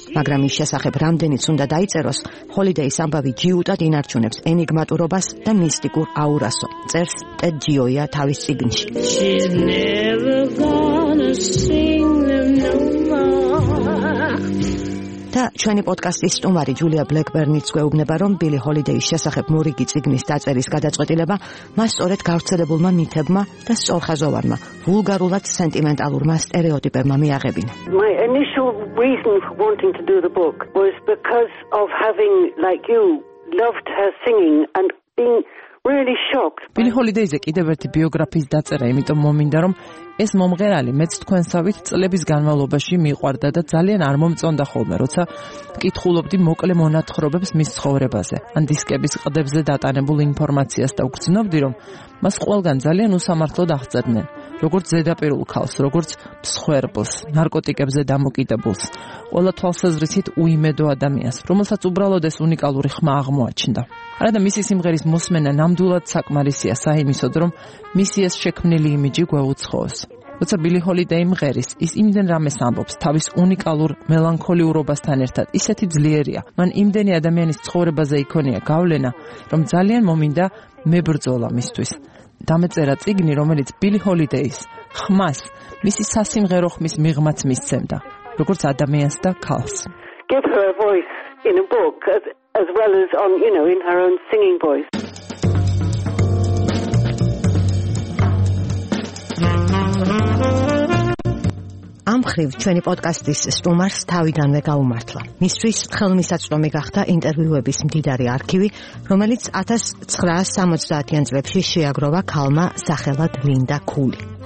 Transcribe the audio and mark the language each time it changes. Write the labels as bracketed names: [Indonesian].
[Georgian] მაგრამ ის შესახებ რამდენიც უნდა დაიწეროს, ჰოლიდეის ამბავი ჯიუტად ინარჩუნებს ენიგმატურობას და მისტიკურ აურასო, წერს ტედ ჯიოია თავის წიგნში. და ჩვენი პოდკასტის სტუმარი ჯულია ბლეკბერნიც გვეუბნება, რომ ბილი ჰოლიდეის შესახებ მორიგი ციგნის დაწერის გადაწყვეტილება მას სწორედ გავრცელებულმა მითებმა და სწორხაზოვანმა, ვულგარულად სენტიმენტალურმა სტერეოტიპებმა მიაღებინა. [English] My initial reason for wanting to do the book was because of having, like you, loved her singing and being really shocked. [Georgian] ბილი ჰოლიდეიზე კიდევ ერთი ბიოგრაფიის დაწერა იმიტომ მომინდა, რომ ეს მომღერალი მეც თქვენსავით წლების განმავლობაში მიყვარდა და ძალიან არ მომწონდა ხოლმე, როცა მკითხულობდი მოკლე მონათხრობებს მის ცხოვრებაზე ან დისკების ყდებზე დატანებულ ინფორმაციას და გრძნობდი, რომ მას ყველგან ძალიან უსამართლოდ აღწერდნენ, როგორც ზედაპირულ ქალს, როგორც მსხვერპლს, ნარკოტიკებზე დამოკიდებულს, ყველა თვალსაზრისით უიმედო ადამიანს, რომელსაც უბრალოდ ეს უნიკალური ხმა აღმოაჩნდა. არა და მისი სიმღერის მოსმენა ნამდვილად საკმარისია საიმისოდ, რომ მისი ეს შექმნილი იმიჯი გვეუცხოს. როცა ბილი ჰოლიდეი მღერის, ის იმდენ რამეს ამბობს თავის უნიკალურ მელანქოლიურობასთან ერთად, ისეთი ძლიერია, მან იმდენი ადამიანის ცხოვრებაზე იქონია გავლენა, რომ ძალიან მომინდა მებრძოლა მისთვის. დამეწერა წიგნი, რომელიც ბილი ჰოლიდეის ხმას მისი სასიმღერო ხმის მიღმაც მისცემდა, როგორც ადამიანს და ქალს. [English] Give her a voice in a book as well as on, you know, in her own singing voice. [Georgian] ამხრივ ჩვენი პოდკასტის სტუმარს თავიდანვე გაუმართლა. მისთვის ხელმისაწვდომი გახდა ინტერვიუების მდიდარი არქივი, რომელიც 1970-იან წლებში შეაგროვა ქალმა სახელად ლინდა ქული.